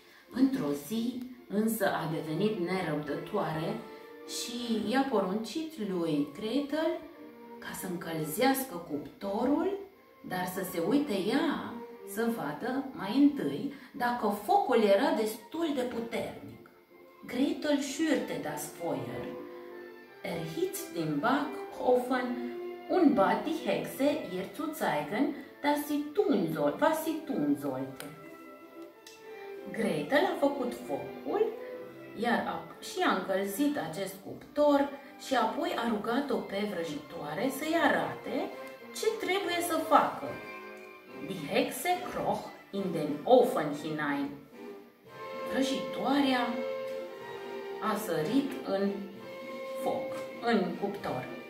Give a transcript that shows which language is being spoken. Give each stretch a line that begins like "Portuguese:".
Romanian: Într-o zi însă a devenit nerăbdătoare și i-a poruncit lui Gretel ca să încălzească cuptorul, dar să se uite ea să vadă mai întâi dacă focul era destul de puternic.
German: Gretel schürte das Feuer, erhitz den Backofen und bat die Hexe ihr zu zeigen, was sie tun sollte.
Romanian: Gretel a făcut focul, iar și a încălzit acest cuptor și apoi a rugat-o pe vrăjitoare să-i arate ce trebuie să facă.
German: Die Hexe kroch in den Ofen hinein.
Romanian: Vrăjitoarea a sărit în foc, în cuptor.